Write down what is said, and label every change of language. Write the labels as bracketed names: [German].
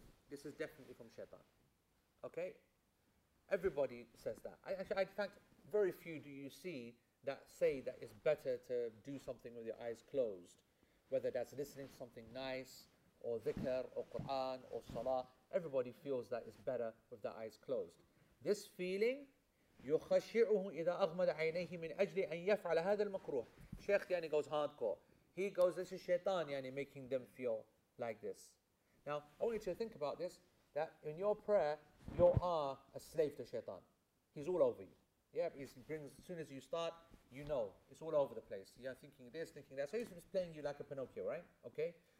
[English] This is definitely from shaitan. Okay, everybody says that. In fact, very few do you see that say that it's better to do something with your eyes closed, whether that's listening to something nice or dhikr or Quran or salah. Everybody feels that it's better with their eyes closed. This feeling, [Arabic] يخشعه إذا أغمد عينيه من أجل أن يفعل هذا المكروه. [English] Sheikh Yani goes hardcore. He goes, this is shaitan Yani making them feel like this. Now, I want you to think about this, that in your prayer, you are a slave to shaitan. He's all over you. Yeah, he brings, as soon as you start, you know, it's all over the place. You're thinking this, thinking that. So he's just playing you like a Pinocchio, right? Okay?